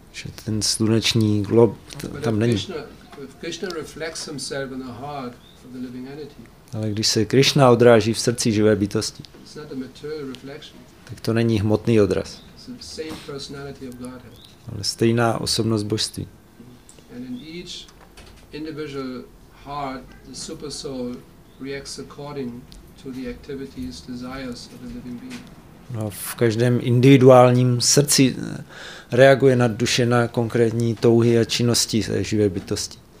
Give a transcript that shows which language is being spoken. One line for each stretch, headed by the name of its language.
Czech: Že ten sluneční glob tam není.
English: If Krishna reflects himself in the heart of the living entity.
Czech: Ale když se Krishna odráží v srdci živé bytosti,
English: it's not a material reflection.
Czech: Tak to není hmotný odraz.
English: The same personality of Godhead.
Czech: Ale stejná osobnost božství.
English: And in each individual heart, the super soul reacts according to the activities, desires of the living being.
Czech: No, v každém individuálním srdci reaguje na duše, na konkrétní touhy a činnosti živé bytosti.